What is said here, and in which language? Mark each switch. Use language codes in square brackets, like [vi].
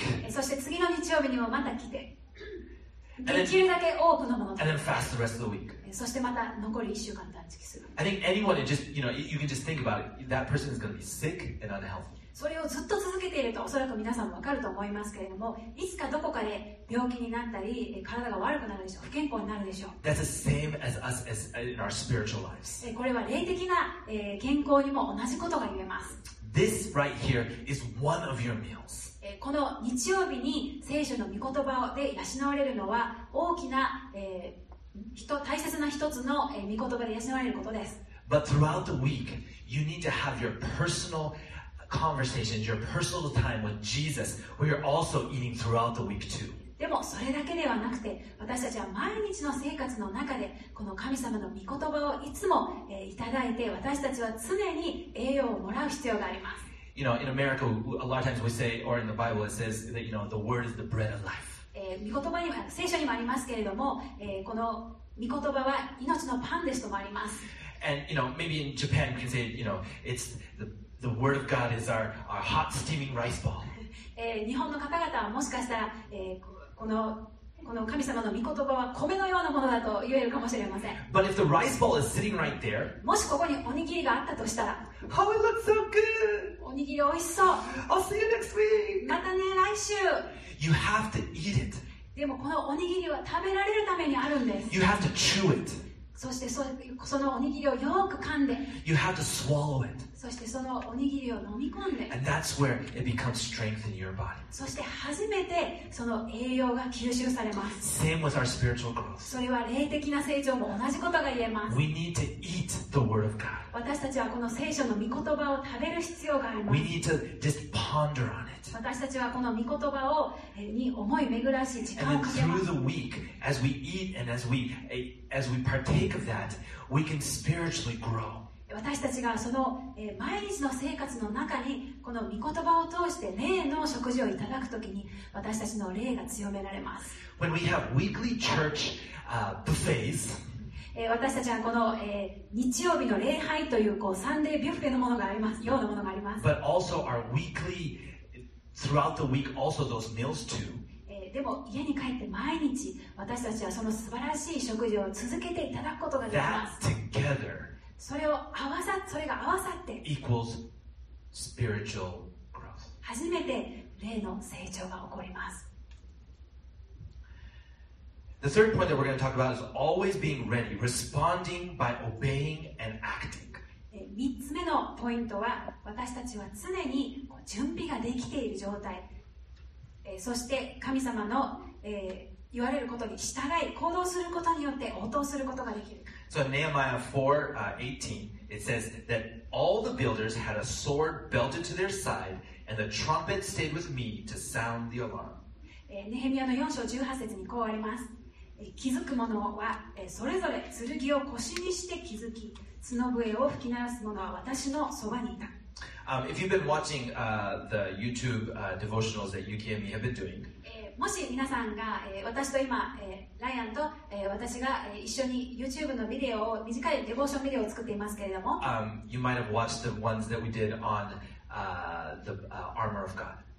[ja] そして次の日曜日にもまた来て、できるだけ多くのものを食べて、そしてまた残り1週間断食する。 [en] I think anyone, just, you know, you can just think about it. That person is going to be sick and unhealthy. [ja] それをずっと続けていると、おそらく皆さんも分かると思いますけれども、いつかどこかで病気になったり、体が悪くなるでしょう、不健康になるでしょう。 [en] That's the same as us as in our spiritual lives. [ja] これは霊的な健康にも同じことが言えます。 [en] This right here is one of your meals. [ja] この日曜日に聖書の御言葉で養われるのは、大きな、大切な一つの御言葉で養われることです。 [en] But throughout the week, you need to have your personalconversations, your personal time with Jesus, where you're also eating throughout the week too. [ja] でもそれだけではなくて、私たちは毎日の生活の中でこの神様の御言葉をいつも、いただいて、私たちは常に栄養をもらう必要があります。 [en] You know, in America, a lot of times we say, or in the Bible, it says that, you know, the word is the bread of life. [ja] 御言葉には、聖書にもありますけれども、この御言葉は命のパンですともあります。 [en] And, you know, maybe in Japan, we can say, you know, it's theThe word of God is our hot steaming rice ball. [ja] 日本の方々はもしかしたら、この神様の御言葉は米のようなものだと言えるかもしれません。 [en] But if the rice ball is sitting right there, [ja] もしここにおにぎりがあったとしたら、 [en] Oh, it looks so good! [ja] おにぎりおいしそう。 [en] I'll see you next week! [ja] またね、来週。 [en] You have to eat it. [ja] でもこのおにぎりは食べられるためにあるんです。 [en] You have to chew it. [ja] そして そのおにぎりをよく噛んで、 [en] You have to swallow it. [ja] そしてそのおにぎりを飲み込んで、 [en] And that's where it becomes strength in your body. [ja] そして初めてその栄養が吸収されます。 [en] Same with our spiritual growth. [ja] それは霊的な成長も同じことが言えます。 [en] We need to eat the word of God. [ja] 私たちはこの聖書の御言葉を食べる必要があります。 [en] We need to just ponder on it. [ja] 私たちはこの御言葉をに思い巡らし、時間をかけます。 [en] And then through the week, as we eat and as we partake of that, we can spiritually grow. [ja] 私たちがその、毎日の生活の中にこの御言葉を通して霊の食事をいただくときに、私たちの霊が強められます。 [en] When we have weekly church, buffets, [ja] 私たちはこの、日曜日の礼拝という、こうサンデービュッフェのものがあります、ようなものがあります。 [en] But also our weekly, throughout the week, also those meals too. [ja] でも家に帰って毎日私たちはその素晴らしい食事を続けていただくことができます。 [en] That together [ja] それが合わさって [en] equals spiritual growth. [ja] 初めて霊の成長が起こります。 [en] The third point that we're going to talk about is always being ready, responding by obeying and acting. [ja] 3つ目のポイントは、私たちは常に準備ができている状態、そして神様の、言われることに従い行動することによって応答することができる。 [en] So in Nehemiah 4, 18, it says that all the builders had a sword belted to their side, and the trumpet stayed with me to sound the alarm. [ja] ネヘミヤの4章18節にこうあります。気づく者はそれぞれ剣を腰にして気づき、角笛を吹き鳴らす者は私のそばにいた。 [en] If you've been watching the YouTube devotionals that Yuki and me have been doing, [ja] もし皆さんが、私と今、ライアンと、私が、一緒に YouTube のビデオを、短いデボーションビデオを作っていますけれども、 [en] you might have watched the ones that we did on the armor of God.